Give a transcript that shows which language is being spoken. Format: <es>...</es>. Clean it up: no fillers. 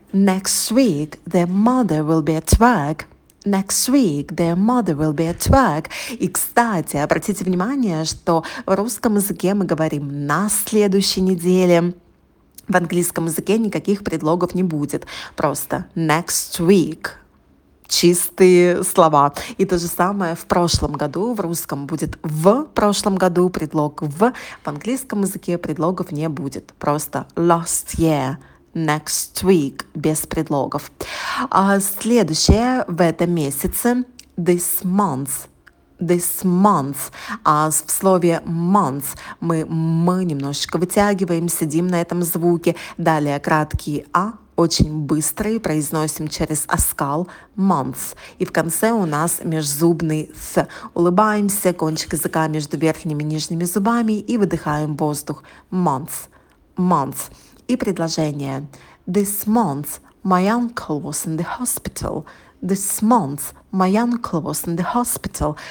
<en>Next week the mother will be at work. Next week the mother will be at work.</en> <ru>И, кстати, обратите внимание, что в русском языке мы говорим «на следующей неделе». В английском языке никаких предлогов не будет. Просто</ru> <en>next week.</en> <ru>Чистые слова. И то же самое в прошлом году. В русском будет «в» прошлом году, предлог «в». В английском языке предлогов не будет. Просто</ru> <en>«last year», «next week»</en> <ru>без предлогов. А следующее в этом месяце</ru> <en>«this month». This month.</en> <ru>А в слове month мы немножечко вытягиваем, сидим на этом звуке. Далее краткий «а». Очень быстрый, произносим через оскал months. И в конце у нас межзубный «с». Улыбаемся, кончик языка между верхними и нижними зубами и выдыхаем воздух.</ru> <en>Months, months.</en> <ru>И предложение.</ru> <en>This month my uncle was in the hospital. This month my uncle was in the hospital.</en>